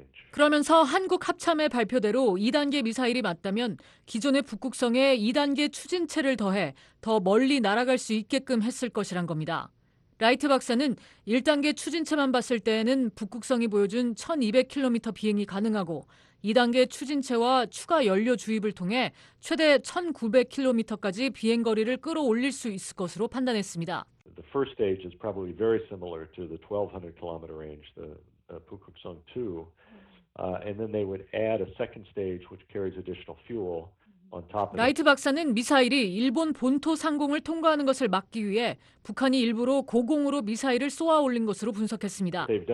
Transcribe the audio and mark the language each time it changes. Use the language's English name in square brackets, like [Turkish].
[Korean] 그러면서 한국 합참의 발표대로 2단계 미사일이 맞다면 기존의 북극성에 2단계 추진체를 더해 더 멀리 날아갈 수 있게끔 했을 것이란 겁니다. 라이트 박사는 1단계 추진체만 봤을 때에는 북극성이 보여준 1200km 비행이 가능하고 2단계 추진체와 추가 연료 주입을 통해 최대 1900km까지 비행 거리를 끌어올릴 수 있을 것으로 판단했습니다. [English] The first stage is probably very similar to the 1200 km range, the Pukguksong 2. And then they would add a second stage which carries additional fuel. [Korean] 라이트 박사는 미사일이 일본 본토 상공을 통과하는 것을 막기 위해 북한이 일부러 고공으로 미사일을 쏘아 올린 것으로 분석했습니다.